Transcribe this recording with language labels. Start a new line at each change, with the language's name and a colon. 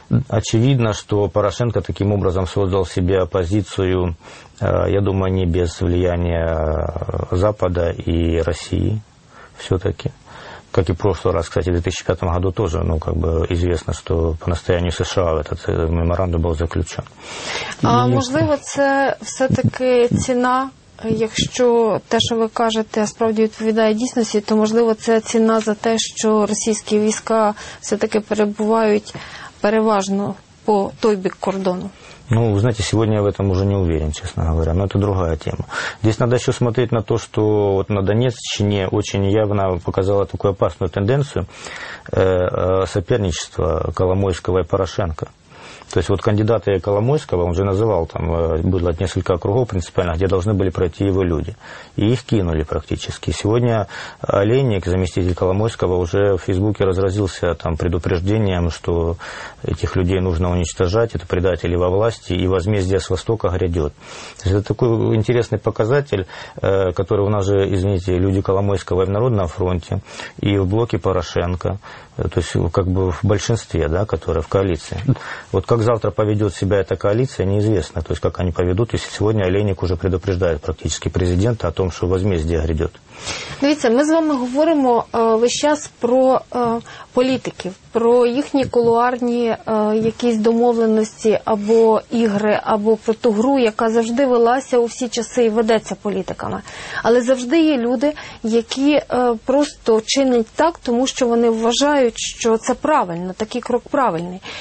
Russian: Очевидно, что Порошенко таким образом создал себе оппозицию, я думаю, не без влияния Запада и России все-таки. Как и в прошлый раз, кстати, в 2005 году тоже, ну, как бы известно, что по настоянию США этот меморандум был заключен. А, и... возможно, это все-таки цена...
Ukrainian: Якщо те, що ви кажете, справді відповідає дійсності, то, можливо, це ціна за те, що російські війська все-таки перебувають переважно по той бік кордону.
Russian: Ну, вы знаете, сегодня я в этом уже не уверен, честно говоря, но это другая тема. Здесь надо еще смотреть на то, что вот на Донецчине очень явно показала такую опасную тенденцию соперничества Коломойского и Порошенко. То есть вот кандидаты Коломойского, он же называл, там было несколько округов принципиально, где должны были пройти его люди. И их кинули практически. Сегодня Олейник, заместитель Коломойского, уже в Фейсбуке разразился там предупреждением, что этих людей нужно уничтожать, это предатели во власти, и возмездие с Востока грядет. То есть это такой интересный показатель, который у нас же, извините, люди Коломойского и в Народном фронте, и в блоке Порошенко, то есть как бы в большинстве, да, которые в коалиции. Вот как завтра поведет себя эта коалиция, неизвестно. То есть как они поведут, если сегодня Олейник уже предупреждает практически президента о том, что возмездие грядет.
Ukrainian: Дивіться, ми з вами говоримо весь час про політиків, про їхні кулуарні якісь домовленості або ігри, або про ту гру, яка завжди велася у всі часи і ведеться політиками. Але завжди є люди, які просто чинять так, тому що вони вважають, що це правильно, такий крок правильний.